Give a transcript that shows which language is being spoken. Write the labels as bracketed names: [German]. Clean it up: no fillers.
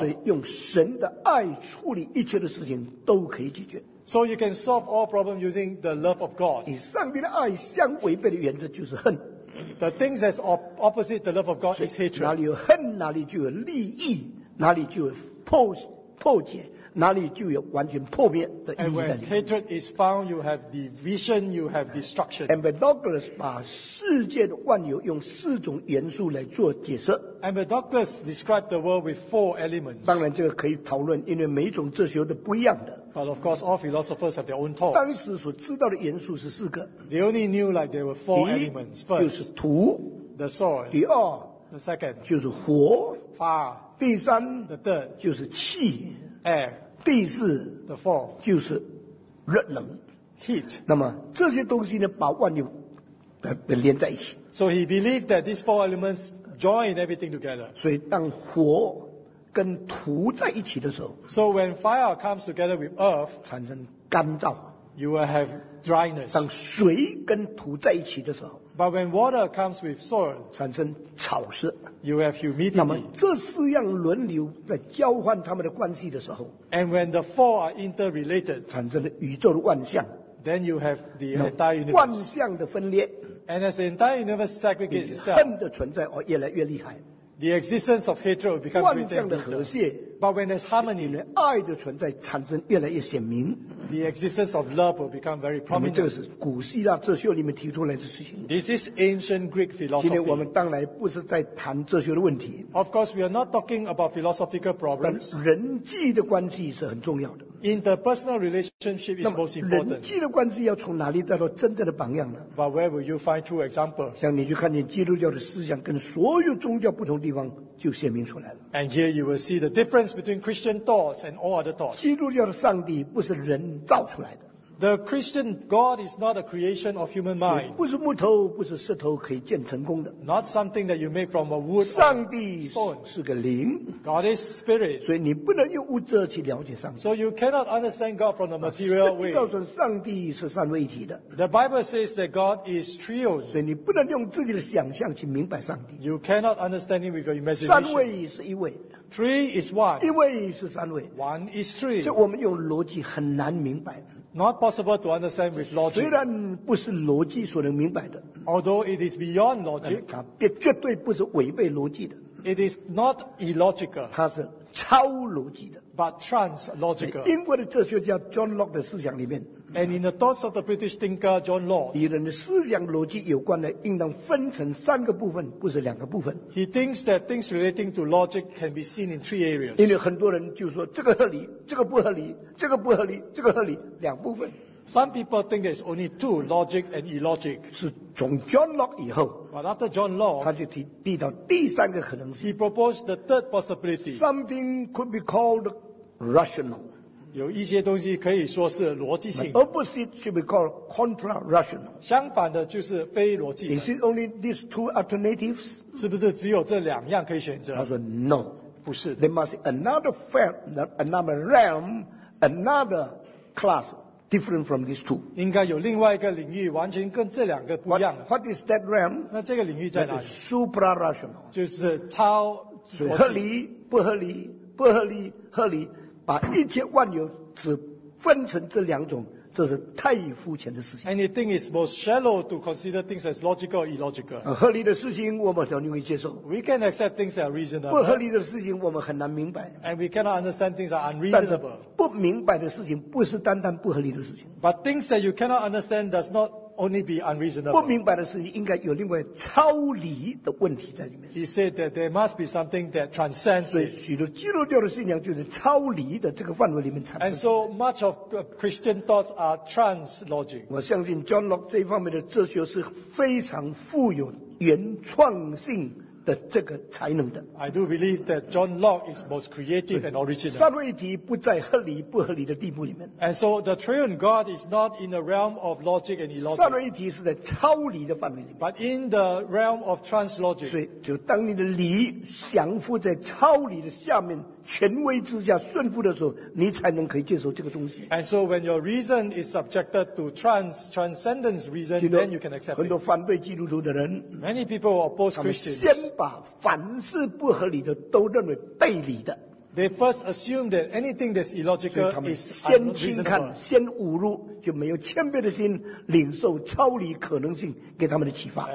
[Chinese] 所以用神的爱处理一切的事情都可以解决。 [English] So you can solve all problems using the love of God. [Chinese] 与上帝的爱相违背的原则就是恨。 [English] The things that's opposite the love of God is hatred. [Chinese] 哪里有恨，哪里就有利益，哪里就有破解，哪里就有完全破灭的意义在里面。 [English] And when hatred is found, you have division, you have destruction. [Chinese] Empedocles 把世界的万有用四种元素来做解释。 [English] Empedocles described the world with four elements. [Chinese] 当然这个可以讨论，因为每种哲学都不一样的。 [English] But of course, all philosophers have their own thoughts. [Chinese] 当时所知道的元素是四个。 [English] They only knew like there were four elements. First, [Chinese] 就是土。 [English] The soil. [Chinese] 第二。 [English] The second. [Chinese] 就是火。 [English] Fire. [Chinese] 第三。 [English] The third. [Chinese] 就是气。 [English] Air. [Chinese] 第四。 [English] The fourth. [Chinese] 就是热能。 [English] Heat. [Chinese] 那么这些东西呢，把万有连在一起。 [English] So he believed that these four elements join everything together. [Chinese] 所以当火跟土在一起的时候， [English] So when fire comes together with earth, [Chinese] 产生干燥， [English] You will have dryness. [Chinese] 当水跟土在一起的时候 [English] ，But when water comes with soil， [Chinese] 产生潮湿 [English] ，You have humidity。 [Chinese] 那么这四样轮流在交换他们的关系的时候 [English] ，And when the four are interrelated， [Chinese] 产生了宇宙的万象 [English] ，Then you have the entire universe。 [Chinese] 万象的分裂 [English] ，And as the entire universe segregates itself， [Chinese] 恨的存在越来越厉害。 [English] The existence of hatred becomes greater. [Chinese] 万象的和谐 [English] ，But when there's harmony, [Chinese] 呢，爱的存在产生越来越显明。 [English] The existence of love will become very prominent. [Chinese] 这是古希腊哲学里面提出来的事情。 [English] This is ancient Greek philosophy. [Chinese] 今天我们当然不是在谈哲学的问题。 [English] Of course, we are not talking about philosophical problems. [Chinese] 但人际的关系是很重要的。 [English] Interpersonal relationship is most important. [Chinese] 人际的关系要从哪里得到真正的榜样呢 [English] ？But where will you find true example? [Chinese] 像你去看见基督教的思想跟所有宗教不同地方就显明出来了。 [English] And here you will see the difference between Christian thoughts and all other thoughts. [Chinese] 基督教的上帝不是人造出来的。 [English] The Christian God is not a creation of human mind. [Chinese] 不是木头，不是石头可以建成功的。 [English] Not something that you make from a wood. [Chinese] 上帝是个灵。 [English] God is spirit. [Chinese] 所以你不能用物质去了解上帝。 [English] So you cannot understand God from the material way. [Chinese] 圣经告诉上帝是三位一体的。 [English] The Bible says that God is trio. [Chinese] 所以你不能用自己的想象去明白上帝。 [English] You cannot understand it with your imagination. [Chinese] 三位是一位。 [English] Three is one. [Chinese] 一位是三位。 [English] One is three. [Chinese] 所以我们用逻辑很难明白。 [English] Not possible to understand with logic. [Chinese] 虽然不是逻辑所能明白的 [English] ，although it is beyond logic， [Chinese] 它别绝对不是违背逻辑的 [English] ，it is not illogical， [Chinese] 它是超逻辑的 [English] ，but translogical。 [Chinese] 英国的哲学家 John Locke 的思想里面 [English] ，and in the thoughts of the British thinker John Locke， [Chinese] 与人的思想逻辑有关的，应当分成三个部分，不是两个部分。 [English] He thinks that things relating to logic can be seen in three areas。 [Chinese] 因为很多人就说这个合理，这个不合理。这个不合理，这个合理，两部分。 [English] Some people think there's only two, logic and illogic. [Chinese] 是从 John Locke 以后 [English] ，But after John Locke， [Chinese] 他就提到第三个可能性。 [English] He proposed the third possibility. Something could be called rational. [Chinese] 有一些东西可以说是逻辑性。 [English] The opposite should be called contra-rational. [Chinese] 相反的就是非逻辑。 [English] Is it only these two alternatives? [Chinese] 是不是只有这两样可以选择？他说 No，不是。 [English] There must be another field, another realm. Another class different from these two. [Chinese] 应该有另外一个领域完全跟这两个不一样。 [English] What is that realm? [Chinese] 那这个领域在哪里 [English] ？Supra-rational. [Chinese] 就是超。所以合理不合理不合理合理，把一切万有只分成这两种，这是太肤浅的事情。 [English] Anything is most shallow to consider things as logical or illogical. [Chinese] 合理的事情我们很容易接受。 [English] We can accept things that are reasonable. [Chinese] 不合理的事情我们很难明白。 [English] And we cannot understand things that are unreasonable. [Chinese] 不明白的事情不是单单不合理的事情。 [English] But things that you cannot understand does not only be unreasonable. [Chinese] 不明白的事情应该有另外超理的问题在里面。 [English] He said that there must be something that transcends. [Chinese] 所以许多基督教的信仰就是超理的这个范围里面产生。 [English] And so much of Christian thoughts are translogic. [Chinese] 我相信 John Locke 这一方面的哲学是非常富有原创性。的这个才能的 [English] I do believe that John Locke is most creative and original. [Chinese] 三位一体不在合理不合理的地步里面。 [English] And so the triune God is not in the realm of logic and illogic. [Chinese] 三位一体是在超理的范围里面。 [English] But in the realm of translogic. [Chinese] 所以就当你的理降服在超理的下面权威之下顺服的时候，你才能可以接受这个东西。 [English] And so when your reason is subjected to transcendence reason, then you can accept it. [Chinese] 很多反对基督徒的人 [English] ，many people oppose Christians， [Chinese] 先把凡是不合理的都认为背离的。 [English] They first assume that anything that's illogical is unreasonable. [Chinese] 先轻看，先侮辱，就没有谦卑的心领受超理可能性给他们的启发。